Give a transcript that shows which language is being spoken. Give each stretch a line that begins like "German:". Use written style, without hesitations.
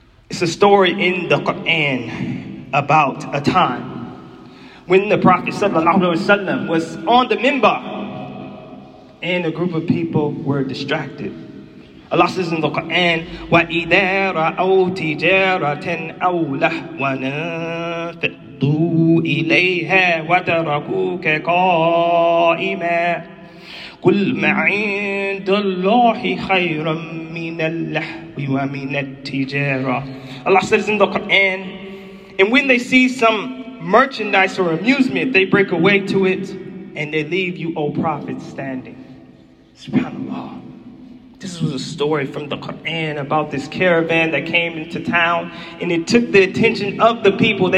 English: It's a story in the Quran about a time when the Prophet sallallahu alayhi wa sallam was on the minbar and a group of people were distracted.
Arabic: Allah says in the Quran, وَإِذَا رَأَوْا تِجَارَةً أَوْ لَهْوًا فَضُّوا إِلَيْهَا وَتَرَكُوكَ قَائِمًا قُلْ مَعِنْدَ اللَّهِ خَيْرًا مِنَ اللَّهْوِ وَمِنَ التِّجَارَةِ.
English: Allah says in the Quran, and when they see some merchandise or amusement, they break away to it and they leave you, O Prophet, standing. SubhanAllah. This was a story from the Quran about this caravan that came into town and it took the attention of the people.